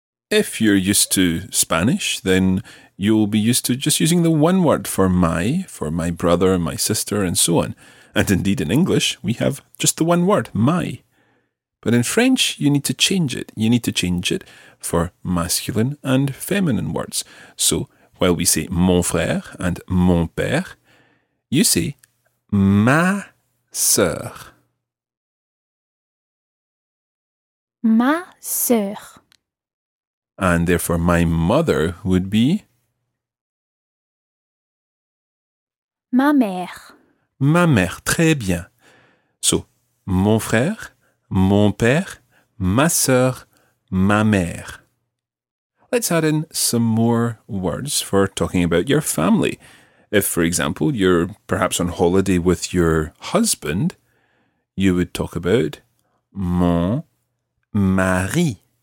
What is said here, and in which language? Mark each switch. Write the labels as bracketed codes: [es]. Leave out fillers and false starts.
[en] If you're used to Spanish, then you'll be used to just using the one word for my brother, my sister, and so on. And indeed, in English, we have just the one word, my. But in French, you need to change it. You need to change it for masculine and feminine words. So while we say [fr] mon frère [en] and [fr] mon père, [en] you say [fr] ma sœur. Ma sœur. [en] And therefore, my mother would be? [fr] Ma mère. Ma mère, très bien. So, mon frère, mon père, ma sœur, ma mère. [en] Let's add in some more words for talking about your family. If, for example, you're perhaps on holiday with your husband, you would talk about [fr] mon mari.